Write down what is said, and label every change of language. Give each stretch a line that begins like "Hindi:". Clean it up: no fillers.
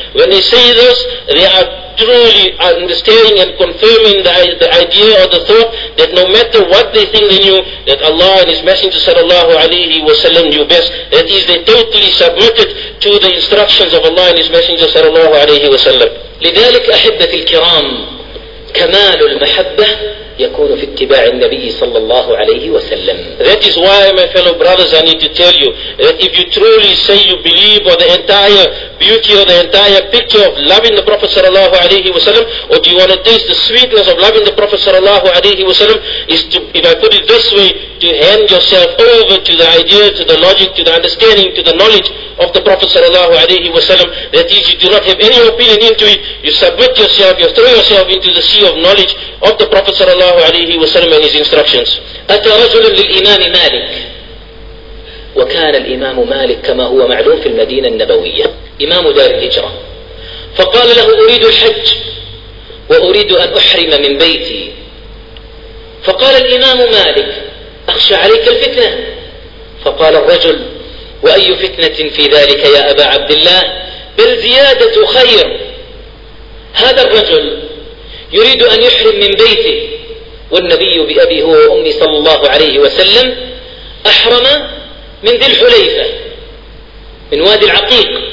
English: When they say this, they are truly understanding and confirming the idea or the thought that no matter what they think they knew, that Allah and His Messenger sallallahu alayhi wa sallam knew best. That is, they totally submitted to the instructions of Allah and His Messenger sallallahu alayhi wa sallam.
Arabic: لذلك أحبة الكرام كمال المحبة يكون في اتباع النبي صلى الله عليه وسلم.
English: That is why, my fellow brothers, I need to tell you that if you truly say you believe, or the entire beauty or the entire picture of loving the Prophet sallallahu alayhi wa sallam, or do you want to taste the sweetness of loving the Prophet sallallahu alayhi wa sallam? Is to, if I put it this way, to hand yourself over to the idea, to the logic, to the understanding, to the knowledge of the Prophet sallallahu alayhi wa sallam. That is, you do not have any opinion into it, you submit yourself, you throw yourself into the sea of knowledge of the Prophet sallallahu alayhi wa sallam and his instructions.
Arabic: أَتَ رَجُلٌ لِلْإِمَامِ مَالِكِ وكان الإمام مالك كما هو معلوم في المدينة النبوية إمام دار الهجرة فقال له أريد الحج وأريد أن أحرم من بيتي فقال الإمام مالك أخشى عليك الفتنة فقال الرجل وأي فتنة في ذلك يا أبا عبد الله بل زيادة خير هذا الرجل يريد أن يحرم من بيته والنبي بأبي هو وأمي صلى الله عليه وسلم أحرم من ذي الحليفة من وادي العقيق